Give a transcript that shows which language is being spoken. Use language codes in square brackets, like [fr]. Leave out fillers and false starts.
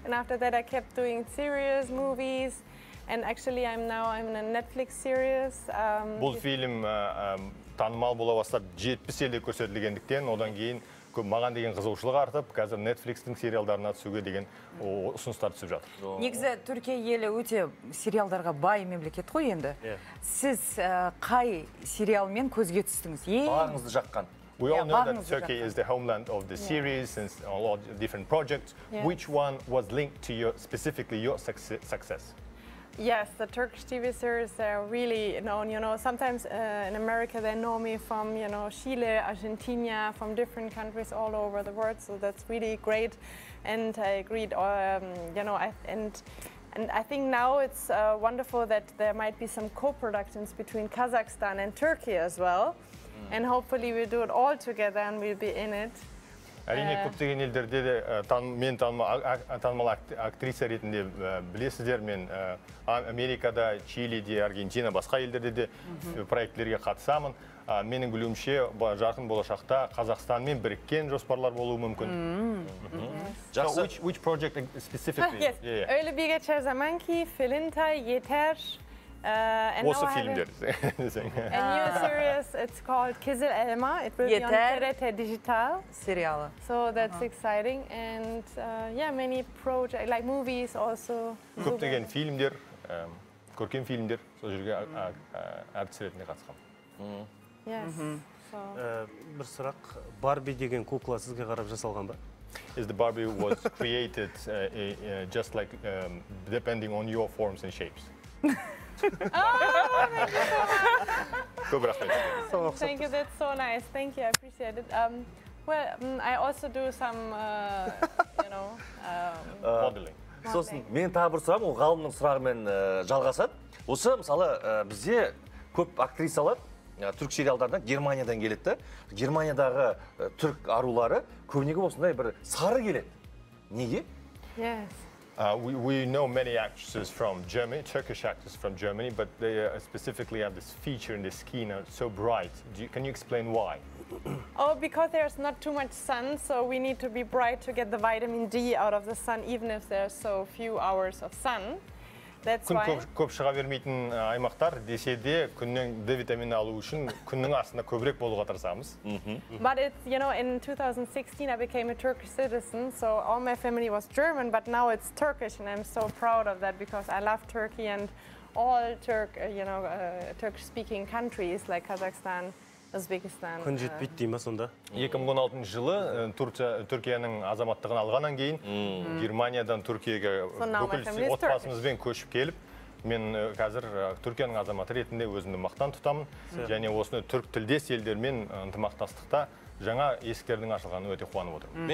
[en] And after that, I kept doing serious movies. And actually, I'm in a Netflix series. [kk] Бұл фильм танымал бола бастап 70 елде көрсетілгендіктен, одан кейін маған деген қызығушылық артып, қазір Netflix-тің сериалдарына түсуге деген ұсыныстар түсіп жатыр. Негізі Түркия елі өте сериалдарға бай мемлекет қой енді. Сіз қай сериалмен көзге түстіңіз? Бағыңызды жаққан. [en] We all know that Turkey is the homeland of the series and a lot of different projects. Which one was linked to your specifically your success? Yes, the Turkish TV series, they're really known, you know, sometimes in America they know me from, you know, Chile, Argentina, from different countries all over the world, so that's really great. And I agreed, you know, and I think now it's wonderful that there might be some co-productions between Kazakhstan and Turkey as well. Mm. And hopefully we'll do it all together and we'll be in it. [kk] Әрине, көптеген елдерде де мен танымал актриса ретінде білесіздер, мен Америкада, Чилиде, Аргентина, басқа елдерде де проектілерге қатысамын. Менің білуімше, жақын болашақта Қазақстанмен біріккен жоспарлар болуы мүмкін. Жақсы. [en] Which project specifically? Yes, Öyle Bir Geçer Zaman Ki, Filinta, Yeter. [kk] Осы фильмдер. [en] A new series, it's called Kizil Elma. It will be on TRT Digital. [kk] Сериалы. [en] So that's exciting. And yeah, many projects, like movies also. [kk] Көптеген фильмдер, көркем фильмдер, сол жерге әртіс ретінде қатысқан. [en] Yes. [kk] Бір сұрақ, Барби деген кукла сізге қарап жасалған ба? [en] Is the Barbie was created just like depending on your forms and shapes. Oh, thank you so much. Thank you, that's so nice. Thank you, I appreciate it. Well, I also do some, you know, modeling. [kk] Сосын мен тағы бір сұрағым, ол ғалымның сұрағымен жалғасады. Осы мысалы бізде көп актрисалар түрк сериалдарынан Германиядан келеді. Германиядағы түрк арулары көбінегі осындай бір сары келеді. Неге? [en] Yes. We know many actresses from Germany, Turkish actors from Germany, but they specifically have this feature in the skin, so bright. Can you explain why? Oh, because there's not too much sun, so we need to be bright to get the vitamin D out of the sun, even if there's so few hours of sun. That's why. [kk] Көп шыға бермейтін аймақтар десе де күннен D витамин алу үшін күннің астында көбірек болуға тырысамыз. [en] But it's, you know, in 2016 I became a Turkish citizen, so all my family was German, but now it's Turkish and I'm so proud of that because I love Turkey and all Turk, you know, Turkish speaking countries like Kazakhstan. [kk] Күн жетпейді дейді ма сонда? 2016 жылы Түркияның азаматтығын алғаннан кейін Германиядан Түркияға бүкіл отбасымызбен көшіп келіп, мен қазір Түркияның азаматы ретінде өзімді мақтан тұтамын және осыны түрк тілдес елдермен ынтымақтастықта жаңа есіктердің ашылғанын өте қуанып отырмын.